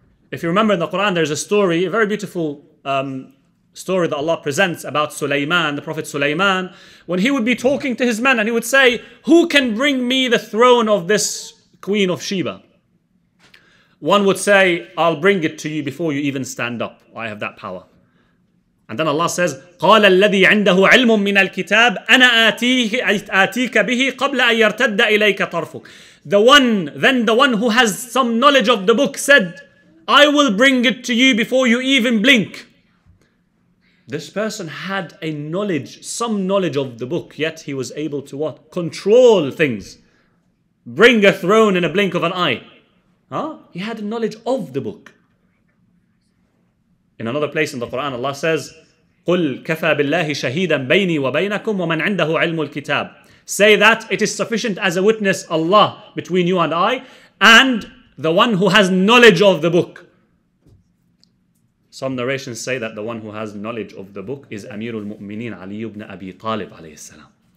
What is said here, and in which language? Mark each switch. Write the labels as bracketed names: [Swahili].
[English] If you remember in the Quran, there's a story, a very beautiful story that Allah presents about Sulaiman, the Prophet Sulaiman, when he would be talking to his men and he would say, who can bring me the throne of this Queen of Sheba? One would say, I'll bring it to you before you even stand up. I have that power. And then Allah says, [Arabic] قَالَ الَّذِي عِنْدَهُ عِلْمٌ مِّنَ الْكِتَابِ أَنَا آتِيكَ بِهِ قَبْلَ أَن يَرْتَدَّ إِلَيْكَ طَرْفُكَ. [English] The one who has some knowledge of the book said, I will bring it to you before you even blink. This person had a knowledge, some knowledge of the book, yet he was able to what? Control things. Bring a throne in a blink of an eye. Huh? He had knowledge of the book. In another place in the Quran, Allah says, [Arabic] قُلْ كَفَى بِاللَّهِ شَهِيدًا بَيْنِي وَبَيْنَكُمْ وَمَنْ عِنْدَهُ عِلْمُ الْكِتَابِ. [English] Say that it is sufficient as a witness Allah between you and I and the one who has knowledge of the book. Some narrations say that the one who has knowledge of the book is Amirul Mu'mineen Ali ibn Abi Talib alayhi salam.